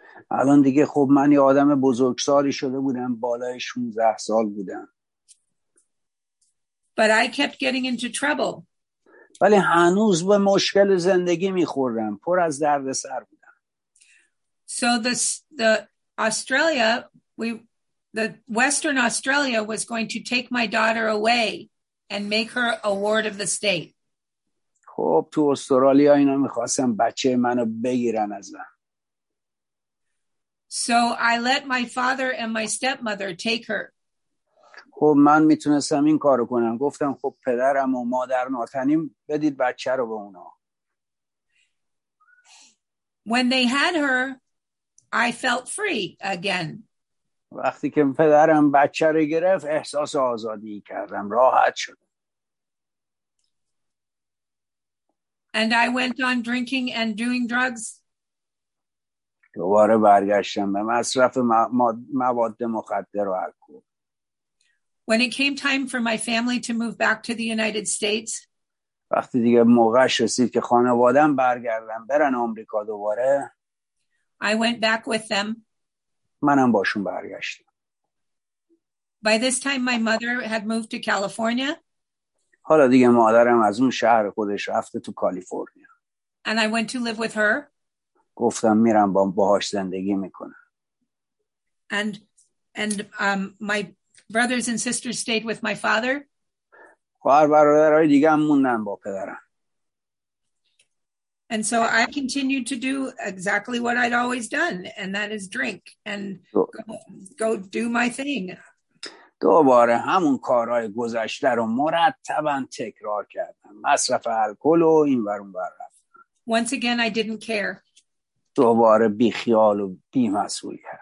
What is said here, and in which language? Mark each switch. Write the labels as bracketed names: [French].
[Persian] الان دیگه خب من یه آدم بزرگسالی شده بودم، بالای 16 سال بودم. [English] But I kept getting into trouble. [Persian] ولی هنوز به مشکل زندگی می‌خوردم، پر از درد سر بودم. [English] So the Western Australia was going to take my daughter away and make her a ward of the state. [Persian] خب تو استرالیا اینا می‌خواستن بچه منو بگیرن از من. [English] So I let my father and my stepmother take her. [Persian] خب من میتونستم این کارو کنم، گفتم خب پدرم و مادر ناتنیم، بدید بچه رو به اونا. [English] When they had her, I felt free again. [Persian] وقتی که پدرم بچه رو گرفت احساس آزادی کردم، راحت شدم. [English] And I went on drinking and doing drugs. [Persian] دوباره برگشتم به مصرف مواد مخدر و الکل. [English] When it came time for my family to move back to the United States. [Persian] وقتی دیگه موقعش رسید که خانواده‌ام برگردن برن آمریکا دوباره. [English] I went back with them. [Persian] منم باشون برگشتم. [English] By this time my mother had moved to California. [Persian] حالا دیگه مادرم از اون شهر خودش رفته تو کالیفرنیا. [English] And I went to live with her. [Persian] گفتم میرم باهاش زندگی میکنم. [English] And my brothers and sisters stayed with my father. [Persian] خواهر برادرهای دیگه هم موندن با پدرم. [English] And so I continued to do exactly what I'd always done, and that is drink and go do my thing. [Persian] دوباره همون کارهای گذشته رو مرتبا تکرار کردم. مصرف الکل و این ور اون ور رفتم. [English] Once again I didn't care. [Persian] دوباره بی خیال و بی مسئولیت.